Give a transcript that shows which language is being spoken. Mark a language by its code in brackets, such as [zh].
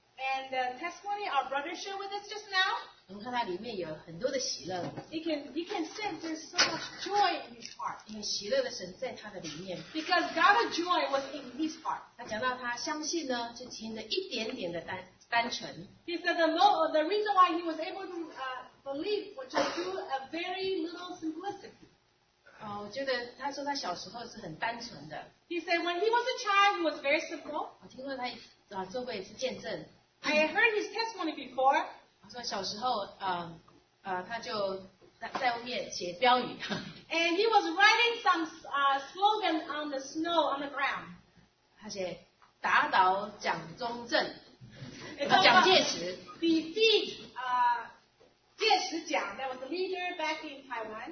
[en] ，And the testimony our brother shared with us just now. [zh] 我们看他里面有很多的喜乐。 [en] He can sense there's so much joy in his heart. [zh] 因为喜乐的神在他的里面。 [en] Because God's joy was in his heart. [zh] 他讲到他相信呢，就凭着一点点的单。 [en] He said the reason why he was able to believe was just through a very little simplicity. [zh] 哦，我觉得他说他小时候是很单纯的。 [en] He said when he was a child, he was very simple. [zh] 我听说他啊做过一次见证。 [en] I heard his testimony before. [zh] 他说小时候他就在外面写标语。 [en] And he was writing some slogan on the snow on the ground. [zh] 他写打倒蒋中正。 [en] Defeat 介石奖 that was the leader back in Taiwan.